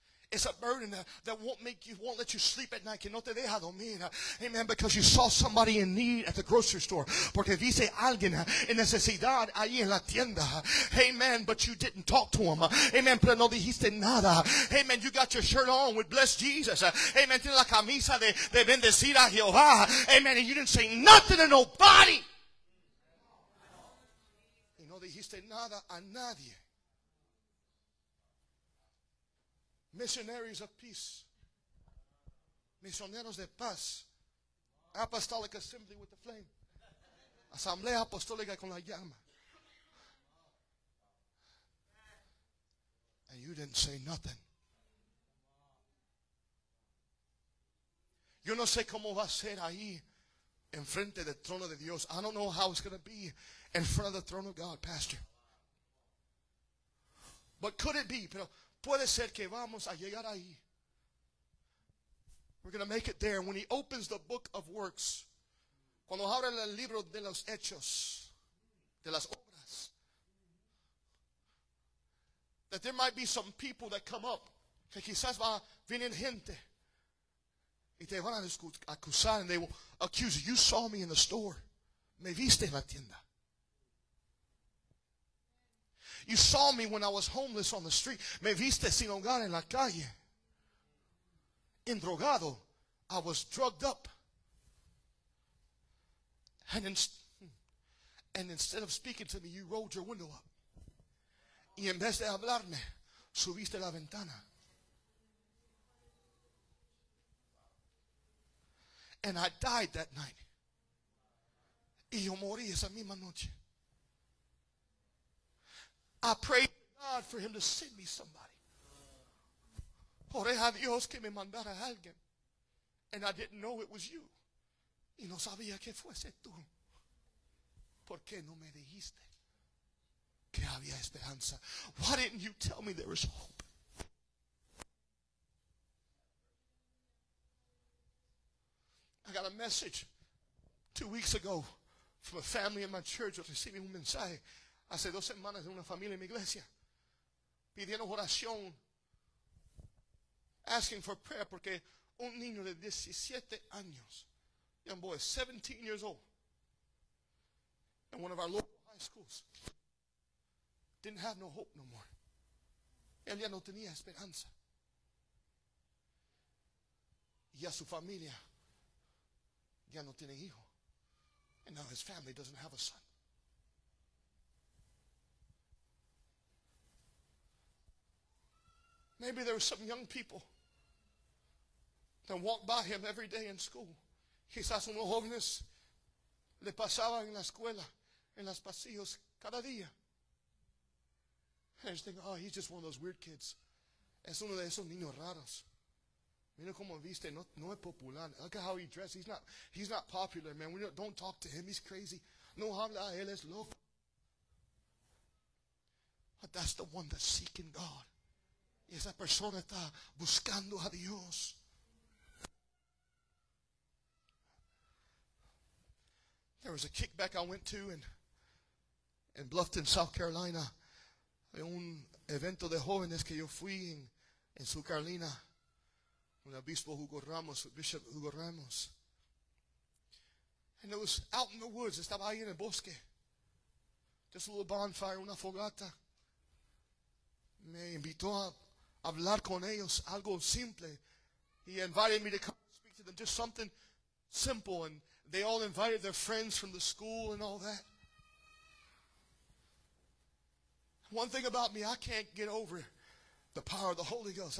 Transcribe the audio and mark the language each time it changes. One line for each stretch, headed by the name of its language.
English: It's a burden that won't let you sleep at night.
Spanish: Que no te deja dormir.
English: Amen. Because you saw somebody in need at the grocery store.
Spanish: Porque viste alguien en necesidad ahí en la tienda.
English: Amen. But you didn't talk to him. Amen.
Spanish: Pero no dijiste nada.
English: Amen. You got your shirt on with bless Jesus.
Spanish: Amen. Tiene la camisa de bendecir a Jehová. Amen.
English: And you didn't say nothing to nobody.
Spanish: Y no dijiste nada a nadie.
English: Missionaries of peace.
Spanish: Misioneros de paz.
English: Apostolic assembly with the flame.
Spanish: Asamblea apostólica con la llama.
English: And you didn't say nothing.
Spanish: Yo no sé cómo va a ser ahí en frente del trono de Dios.
English: I don't know how it's going to be in front of the throne of God, pastor. But could it be,
Spanish: pero... puede ser que vamos a llegar ahí.
English: We're going to make it there. When he opens the book of works,
Spanish: cuando abre el libro de los hechos, de las obras,
English: that there might be some people that come up,
Spanish: que quizás va a venir gente, y te van a acusar,
English: and they will accuse you. You saw me in the store.
Spanish: Me viste en la tienda.
English: You saw me when I was homeless on the street.
Spanish: Me viste sin hogar en la calle. Endrogado.
English: I was drugged up. And instead of speaking to me, you rolled your window up.
Spanish: Y en vez de hablarme, subiste la ventana.
English: And I died that night.
Spanish: Y yo morí esa misma noche.
English: I prayed to God for him to send me somebody.
Spanish: Oré a Dios que me mandara alguien.
English: And I didn't know it was you.
Spanish: Y no sabía que fuese tú. ¿Por qué no me dijiste que había esperanza?
English: Why didn't you tell me there is hope? I got a message 2 weeks ago from a family in my church receiving
Spanish: un mensaje. Hace 2 semanas de una familia en mi iglesia pidiendo oración,
English: asking for prayer
Spanish: porque un niño de 17 años,
English: young boy, 17 years old, in one of our local high schools, didn't have no hope no more.
Spanish: Él ya no tenía esperanza. Y a su familia ya no tiene hijo.
English: And now his family doesn't have a son. Maybe there were some young people that walked by him every day in school.
Spanish: Quizás unos jóvenes le pasaban en la escuela, en los pasillos, cada día.
English: And I just think, oh, he's just one of those weird kids.
Spanish: Es uno de esos niños raros. Mira cómo viste, no es popular.
English: Look at how he dressed. He's not popular, man. Don't talk to him. He's crazy.
Spanish: No habla a él, es loco.
English: But that's the one that's seeking God.
Spanish: Y esa persona está buscando a Dios.
English: There was a kickback I went to in Bluffton, South Carolina.
Spanish: Hay un evento de jóvenes que yo fui en South Carolina. Un obispo Hugo Ramos, Bishop Hugo Ramos.
English: And it was out in the woods.
Spanish: Estaba ahí en el bosque.
English: Just a little bonfire,
Spanish: una fogata. Me invitó a hablar con ellos, algo simple.
English: He invited me to come and speak to them, just something simple. And they all invited their friends from the school and all that. One thing about me, I can't get over the power of the Holy Ghost.